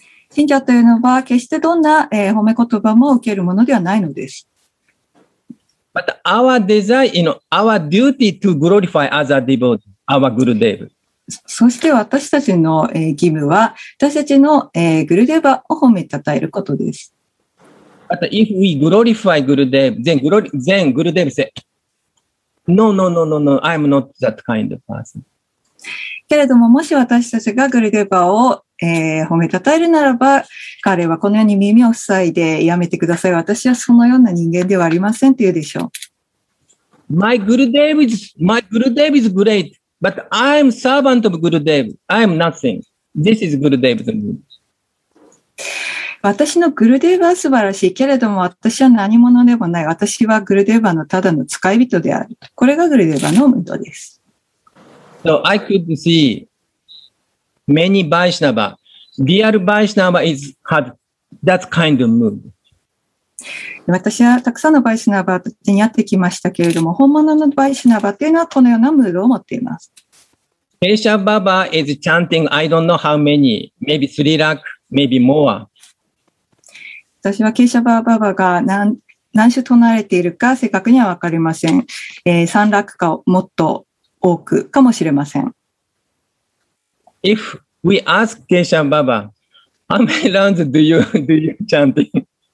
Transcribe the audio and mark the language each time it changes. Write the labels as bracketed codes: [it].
[ja] 信者というのは決してどんな、褒め言葉も受けるものではないのです。 [en] But our desire, you know, our duty to glorify other devotee, our Gurudev. [ja] そして私たちの義務は私たちのグルデーバを褒めたたえることです。 [en] But if we glorify Gurudev, then Gurudev say No, I'm not that kind of person. [ja] けれどももし私たちがグルデーバを、褒めたたえるならば彼はこのように耳を塞いでやめてください、私はそのような人間ではありませんと言うでしょう。 [en] My Gurudev is greatBut I am servant of Gurudev. I am nothing. This is Gurudev's mood. [ja] 私のグルデーバは素晴らしいけれども私は何者でもない。私はグルデーバのただの使い人である。これがグルデーバのムードです。 [en] So I could see many Vaishnava. Real Vaishnava is had that kind of mood. [ja] 私はたくさんのバイシナバたちに会ってきましたけれども、本物のバイシナバというのはこのようなムードを持っています。 [en] ケシャバーバー is chanting, I don't know how many, maybe 3 lakh, maybe more. [ja] 私はケシャバーバーバーが 何種唱われているか正確には分かりません。 3 lakh かもっと多くかもしれません。 [en] If we ask ケシャバーバー、how many rounds do you chanting?